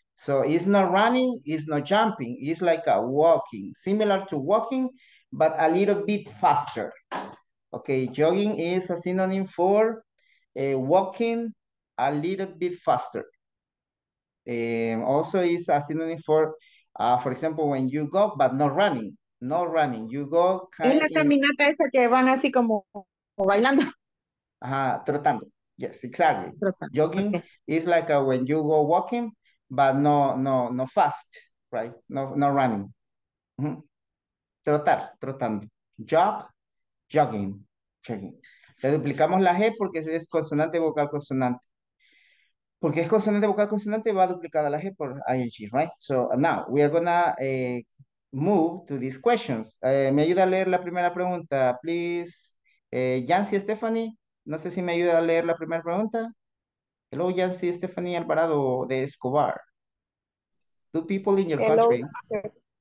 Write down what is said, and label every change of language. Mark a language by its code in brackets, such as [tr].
[en] So it's not running, it's not jumping. It's like a walking, similar to walking, but a little bit faster. Okay, jogging is a synonym for walking a little bit faster. Also is a synonym for example, when you go, but not running, you go. [es] Kind es la caminata esa que van así como bailando. Ajá, trotando. [en] Yes, exactly. Trotando. Jogging, okay. Is like a, when you go walking, but no fast, right? No running. Mm-hmm. Trotando. Jogging. [es] Le duplicamos la G porque es consonante vocal consonante. Porque es consonante vocal consonante, va duplicada la G por ING, right? [en] So now we are gonna move to these questions. [es] Me ayuda a leer la primera pregunta, please. Yancy Stephanie, no sé si me ayuda a leer la primera pregunta. [en] Hello, Yancy Stephanie Alvarado de Escobar. Two people in your Hello, country. Sir.